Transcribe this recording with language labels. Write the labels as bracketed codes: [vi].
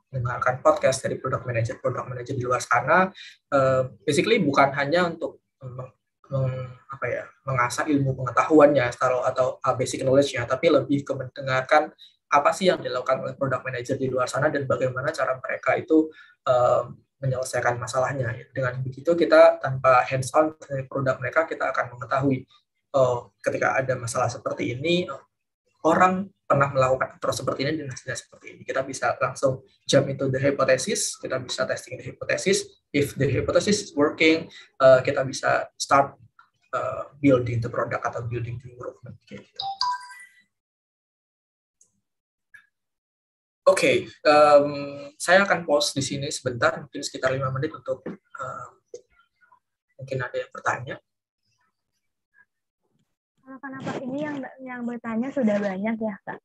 [id] mendengarkan podcast dari product manager di luar sana. Basically bukan hanya untuk apa ya, mengasah ilmu pengetahuannya atau basic knowledge-nya, tapi lebih ke mendengarkan apa sih yang dilakukan oleh product manager di luar sana dan bagaimana cara mereka itu menyelesaikan masalahnya. Dengan begitu kita tanpa hands on dari produk mereka, kita akan mengetahui ketika ada masalah seperti ini, orang pernah melakukan terus seperti ini dan hasilnya seperti ini. Kita bisa langsung [en] jump into the hypothesis, [id] kita bisa [en] testing the hypothesis. If the hypothesis is working, [id] kita bisa [en] start building the product [id] atau [en] building the improvement. [id] Oke, okay, saya akan pause di sini sebentar, mungkin sekitar 5 menit untuk mungkin ada yang bertanya. Kenapa ini yang bertanya sudah banyak ya kak?